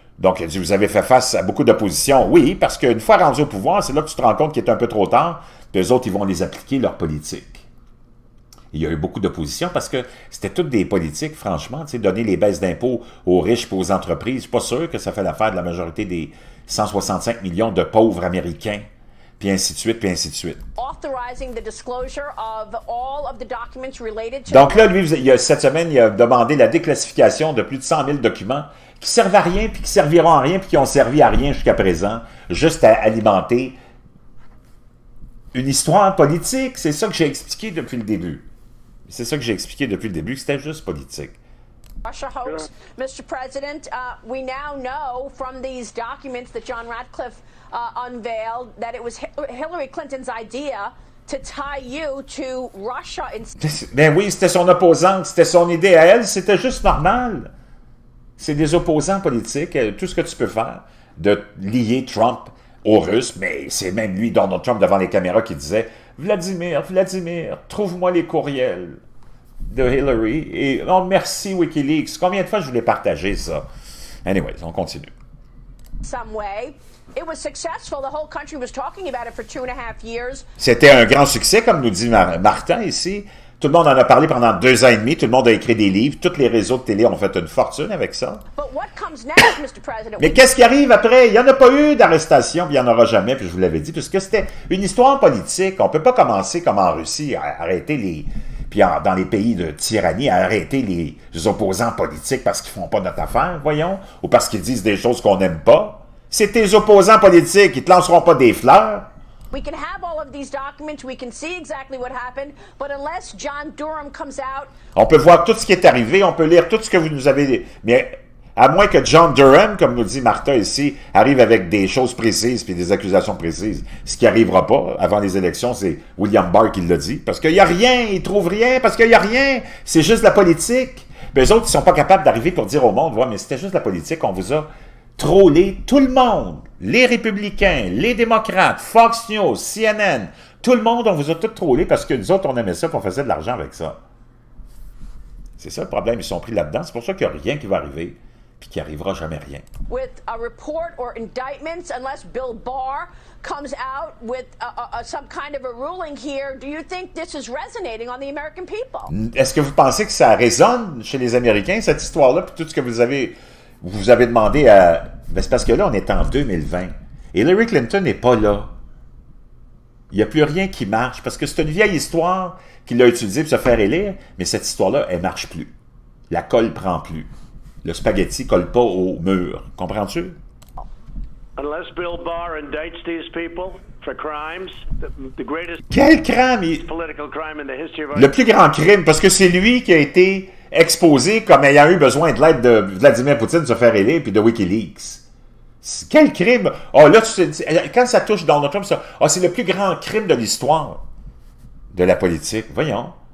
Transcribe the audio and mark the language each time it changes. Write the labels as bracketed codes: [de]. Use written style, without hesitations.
[fr] Donc, il a dit, vous avez fait face à beaucoup d'opposition. Oui, parce qu'une fois rendu au pouvoir, c'est là que tu te rends compte qu'il est un peu trop tard, puis eux autres, ils vont les appliquer, leur politique. Il y a eu beaucoup d'opposition parce que c'était toutes des politiques, franchement, tu sais, donner les baisses d'impôts aux riches et aux entreprises, pas sûr que ça fait l'affaire de la majorité des 165 millions de pauvres Américains. Puis ainsi de suite, puis ainsi de suite. [en] Authorizing the disclosure of all of the documents related to... [fr] Donc là, lui, cette semaine, il a demandé la déclassification de plus de 100 000 documents qui servent à rien, puis qui serviront à rien, puis qui ont servi à rien jusqu'à présent, juste à alimenter une histoire politique. C'est ça que j'ai expliqué depuis le début. C'est ça que j'ai expliqué depuis le début, c'était juste politique. [en] Russia hoax, Mr. President, we now know from these documents that John Ratcliffe unveiled that it was Hillary Clinton's idea to tie you to Russia. [fr] Ben oui, c'était son opposante, c'était son idée à elle, c'était juste normal. C'est des opposants politiques, tout ce que tu peux faire de lier Trump aux Russes, mais c'est même lui, Donald Trump, devant les caméras qui disait « Vladimir, Vladimir, trouve-moi les courriels de Hillary. » Et non, merci Wikileaks. Combien de fois je voulais partager ça? Anyways, on continue. [en] Some way. It was successful. The whole country was talking about it for 2.5 years. [fr] C'était un grand succès, comme nous dit Martin ici. Tout le monde en a parlé pendant 2 ans et demi. Tout le monde a écrit des livres. Tous les réseaux de télé ont fait une fortune avec ça. [en] But what comes next, Mr. President? [fr] Mais qu'est-ce qui arrive après? Il n'y en a pas eu d'arrestation, puis il n'y en aura jamais, puis je vous l'avais dit, puisque c'était une histoire politique. On ne peut pas commencer comme en Russie à arrêter les... puis dans les pays de tyrannie, à arrêter les opposants politiques parce qu'ils ne font pas notre affaire, voyons, ou parce qu'ils disent des choses qu'on n'aime pas. C'est tes opposants politiques, ils ne te lanceront pas des fleurs. [en] We can have all of these documents, we can see exactly what happened, but unless John Durham comes out... [fr] On peut voir tout ce qui est arrivé, on peut lire tout ce que vous nous avez... Mais à moins que John Durham, comme nous dit Martha ici, arrive avec des choses précises puis des accusations précises, ce qui n'arrivera pas avant les élections, c'est William Barr qui l'a dit, parce qu'il n'y a rien, il trouve rien, parce qu'il n'y a rien, c'est juste la politique. Mais eux autres, ils ne sont pas capables d'arriver pour dire au monde, ouais, mais c'était juste la politique, on vous a... troller tout le monde, les républicains, les démocrates, Fox News, CNN, tout le monde, on vous a tous trollé parce que nous autres, on aimait ça et on faisait de l'argent avec ça. C'est ça le problème, ils sont pris là-dedans. C'est pour ça qu'il n'y a rien qui va arriver puis qu'il n'y arrivera jamais rien. [en] With a report or indictments, unless Bill Barr comes out with some kind of a ruling here, do you think this is resonating on the American people? [fr] Est-ce que vous pensez que ça résonne chez les Américains, cette histoire-là, puis tout ce que vous avez... Vous avez demandé à... Ben c'est parce que là, on est en 2020. Hillary Clinton n'est pas là. Il n'y a plus rien qui marche. Parce que c'est une vieille histoire qu'il a utilisée pour se faire élire. Mais cette histoire-là, elle ne marche plus. La colle ne prend plus. Le spaghetti ne colle pas au mur. Comprends-tu? [en] Unless Bill Barr indicts these people for crimes, the greatest... [fr] Quel crime? [en] Political crime in the history of... [fr] Le plus grand crime, parce que c'est lui qui a été... exposé comme ayant eu besoin de l'aide de Vladimir Poutine de se faire élire, puis de Wikileaks. Quel crime? Oh, là, quand ça touche Donald Trump, ça, oh, c'est le plus grand crime de l'histoire de la politique. Voyons.